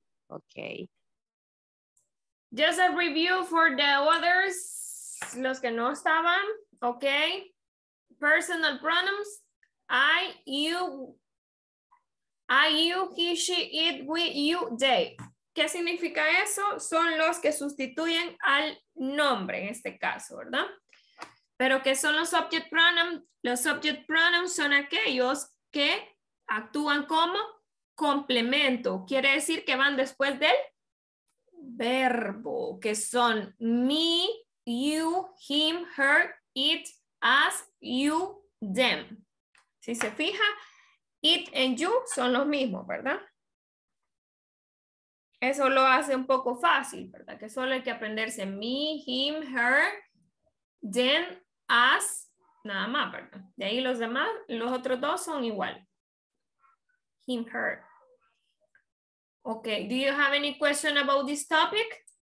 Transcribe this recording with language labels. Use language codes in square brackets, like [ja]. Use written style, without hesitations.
[en] Okay. Just a review for the others, [es] los que no estaban. [en] Okay, personal pronouns, I, you, he, she, it, we, you, they. [es] ¿Qué significa eso? Son los que sustituyen al nombre en este caso, ¿verdad? Pero ¿qué son los object pronouns? Los object pronouns son aquellos que actúan como complemento. Quiere decir que van después del verbo, que son [en] me, you, him, her, it, us, you, them. [es] Si se fija, [en] it and you [es] son los mismos, ¿verdad? Eso lo hace un poco fácil, ¿verdad? Que solo hay que aprenderse [en] me, him, her, them, us, [es] nada más, ¿verdad? De ahí los demás, los otros dos son igual. [en] Him, her. Okay, do you have any question about this topic?